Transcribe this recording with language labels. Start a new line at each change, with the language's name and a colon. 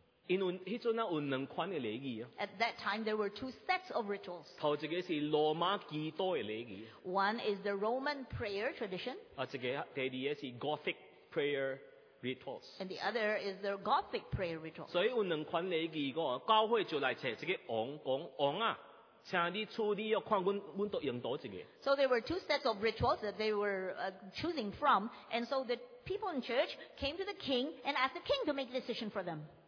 English: At that time, there were two sets of rituals. One is the Roman prayer tradition. Gothic prayer rituals. And the other is the Gothic prayer rituals.
Chinese: So, 有两款礼仪,教会就来找这个王,请你处理,看我们都用到这个。
English: So, there were two sets of rituals that they were choosing from, and so the people in church came to the king and asked the king to make a decision for them.